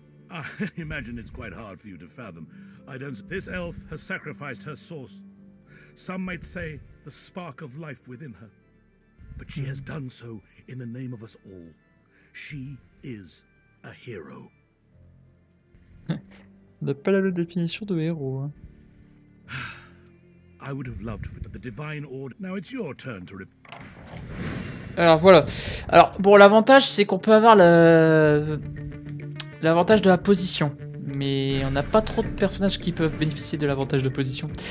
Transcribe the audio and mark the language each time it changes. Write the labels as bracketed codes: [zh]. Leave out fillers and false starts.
[en] I imagine it's quite hard for you to fathom. I don't. This elf has sacrificed her source. Some might say the spark of life within her. But she has done so in the name of us all. She is a hero. [fr] On n'a pas la même définition de héros. Hein. [en] I would have loved for the divine order. Now it's your turn to rip. [fr] Alors voilà. Alors bon, l'avantage c'est qu'on peut avoir l'avantage de la position, mais on n'a pas trop de personnages qui peuvent bénéficier de l'avantage de position.